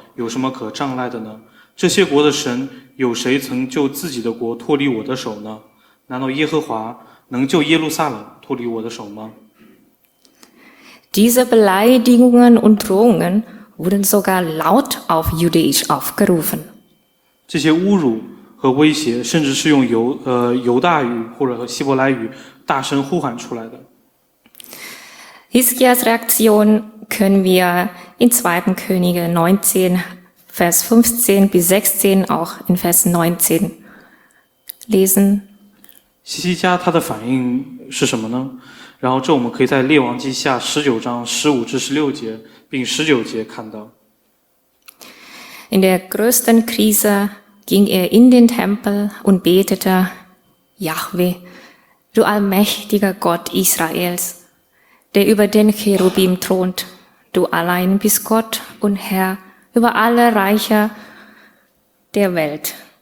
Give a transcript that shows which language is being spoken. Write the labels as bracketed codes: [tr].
[zh] 但亚述王派了他三个最高的将军，即拉伯沙基、塔尔坦和拉伯撒利，率领之强大的军队从拉吉来到耶路撒冷。他传达的信息是：你所依靠的有什么可障碍的呢？这些国的神有谁曾救自己的国脱离我的手呢？难道耶和华能救耶路撒冷脱离我的手吗？ [de] Diese Beleidigungen und Drohungen wurden sogar laut auf Judäisch aufgerufen. [zh] 这些侮辱和威胁甚至是用犹大语或者希伯来语大声呼喊出来的。 [de] Hiskias Reaktion können wir in 2. Könige 19, Vers 15 bis 16, auch in Vers 19 lesen. [zh] 西西家他的反应是什么呢？然后这我们可以在列王记下19章15至16节，并19节看到。 [de] In der größten Krise ging er in den Tempel und betete: Yahweh, du allmächtiger Gott Israels, der über den Cherubim thront, du allein bist Gott und Herr über alle Reiche der Welt.